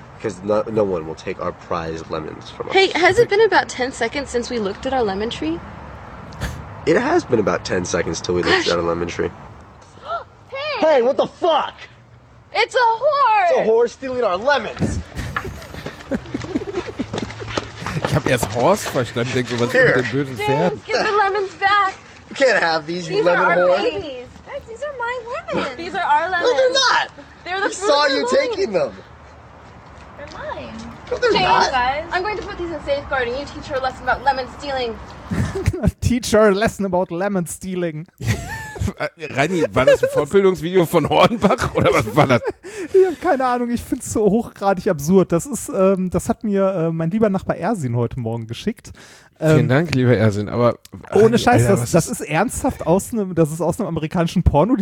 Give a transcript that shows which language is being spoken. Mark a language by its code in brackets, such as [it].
[en] Because no one will take our prized lemons from us. Hey, has it been about 10 seconds since we looked at our lemon tree? It has been about 10 seconds till we looked at our lemon tree. Hey! Hey, what the fuck? It's a whore! It's a whore stealing our lemons! [de] Ich hab erst Horst verstanden, denke, was ist mit dem bösen Pferd? [en] Give the lemons back! You can't have these, you lemon whore. These are our babies. These are my lemons. These are our lemons. No, they're not! They're the fruit of the loins. We saw you taking them. They're mine. No, they're not. Guys. I'm going to put these in safeguard and you teach her a lesson about lemon stealing. Teach her a lesson about lemon stealing. [de] Reini, war das ein Fortbildungsvideo von Hornbach oder was war das? Ich habe keine Ahnung, ich finde es so hochgradig absurd. Das ist, das hat mir mein lieber Nachbar Ersin heute Morgen geschickt. Vielen Dank, lieber Ersin, aber ohne Scheiß, Alter, das ist ernsthaft aus einem amerikanischen Porno.